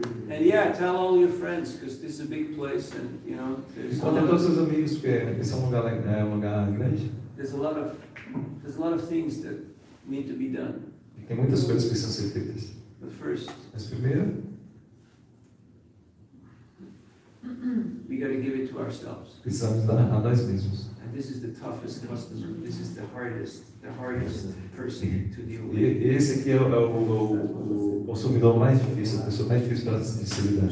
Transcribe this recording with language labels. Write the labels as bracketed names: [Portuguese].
[English] And yeah, tell all your friends because this is a big place, and you know. [Portuguese] Conta a todos os amigos porque esse é um lugar grande. [English] There's a lot of things that need to be done. [Portuguese] Tem muitas coisas que precisam ser feitas. Mas primeiro, [English] we gotta give it to ourselves. [Portuguese] Precisamos dar a nós mesmos. [English] And this is the toughest customer. This is the hardest person to deal with. [Portuguese] E esse aqui é o consumidor mais difícil, a pessoa mais difícil para se lidar.